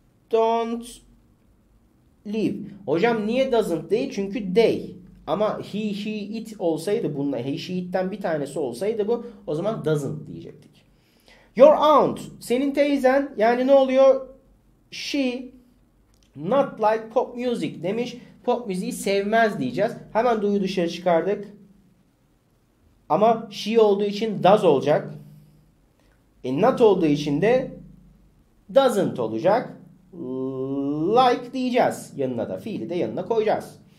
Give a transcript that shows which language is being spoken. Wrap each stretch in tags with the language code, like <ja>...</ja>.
<en>Don't live.</en> <tr>Hocam niye doesn't değil? Çünkü they. Ama he, she, it olsaydı bununla he, she, it'ten bir tanesi olsaydı bu o zaman doesn't diyecektik.</tr> <en>Your aunt.</en> <tr>Senin teyzen yani ne oluyor?</tr> <en>She not like pop music</en> <tr>demiş. Pop müziği sevmez diyeceğiz. Hemen duyu dışarı çıkardık. Ama she olduğu için does olacak. Not olduğu için de doesn't olacak. Like diyeceğiz. Yanına da fiili de yanına koyacağız.</tr>